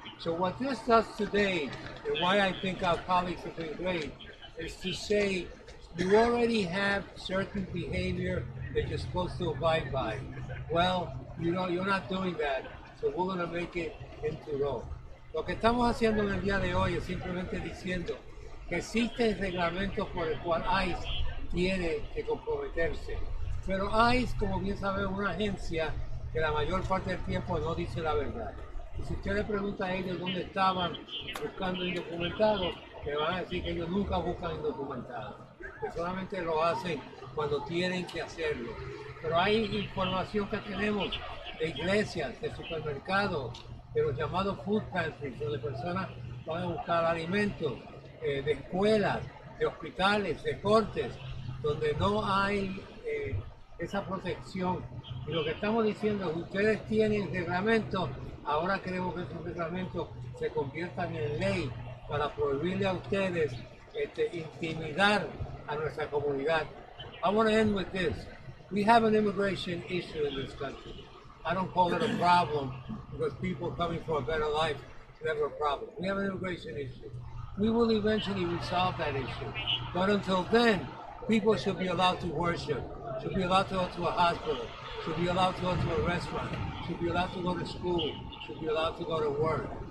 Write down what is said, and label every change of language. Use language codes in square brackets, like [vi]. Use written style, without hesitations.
[en] So what this does today, and why I think our colleagues have been great, is to say you already have certain behavior that you're supposed to abide by. Well, you know, you're not doing that, so we're going to make it into law. [es] Lo que estamos haciendo en el día de hoy es simplemente diciendo que existe el reglamento por el cual ICE tiene que comprometerse. Pero ICE, como bien sabemos, es una agencia que la mayor parte del tiempo no dice la verdad. Y si usted le pregunta a ellos dónde estaban buscando indocumentados, le van a decir que ellos nunca buscan indocumentados, que solamente lo hacen cuando tienen que hacerlo. Pero hay información que tenemos de iglesias, de supermercados, de los llamados food pantries, donde personas van a buscar alimentos, de escuelas, de hospitales, de cortes, donde no hay esa protección. Y lo que estamos diciendo es que ustedes tienen el reglamento, ahora queremos que esos reglamentos se conviertan en ley para prohibirle a ustedes intimidar a nuestra comunidad. [en] I want to end with this. We have an immigration issue in this country. I don't call it a problem because people coming for a better life is never a problem. We have an immigration issue. We will eventually resolve that issue. But until then, people should be allowed to worship, should be allowed to go to a hospital, should be allowed to go to a restaurant, should be allowed to go to school, should be allowed to go to work.